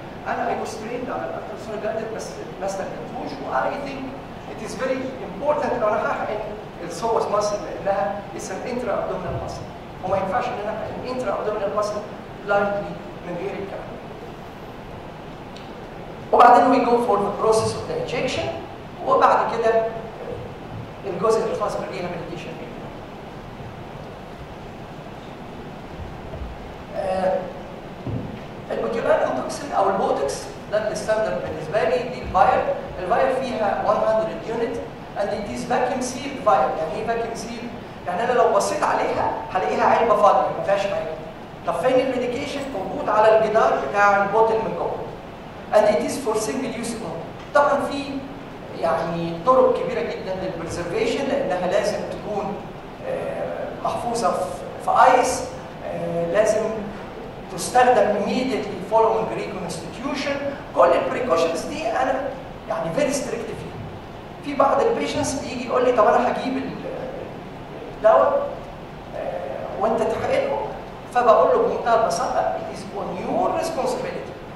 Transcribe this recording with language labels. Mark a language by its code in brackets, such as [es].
[ar] انا اي [en] was trained [ar] على الالترا سون جايدد بس ما استخدمتوش و [en] I think it is very important [ar] لو انا هحقن السورس ماسل لانها [en] it's an intra abdominal muscle [ar] وما ينفعش ان انا احقن [en] intra abdominal muscle blindly [ar] من غير الكلام. وبعدين [en] we go for the process of the injection [ar] وبعد كده الجزء الخاص بالريهابيليتيشن. البوتولانيوم توكسين او البوتكس ده الستاندرد بالنسبه لي دي الفاير. [en] الفاير فيها 100 unit and it is vacuum seal vial. [ar] يعني ايه فاكيوم سيل؟ يعني انا لو بصيت عليها هلاقيها علبه فاضيه ما فيهاش حاجه. طب فين الميديكيشن؟ موجود على الجدار بتاع البوتل من جوه. [en] And it is for single use only. [ar] طبعا في يعني طرق كبيره جدا للبرزرفيشن لانها لازم تكون محفوظه في ايس لازم تستخدم [en] immediately following reconstitution. [ar] كل البريكوشنز دي انا يعني [en] very strict [ar] فيها. في بعض البيشنس بيجي يقول لي طب انا هجيب الدواء وانت تحقنه فبقول له بمنتهى البساطه [en] it is on your responsibility.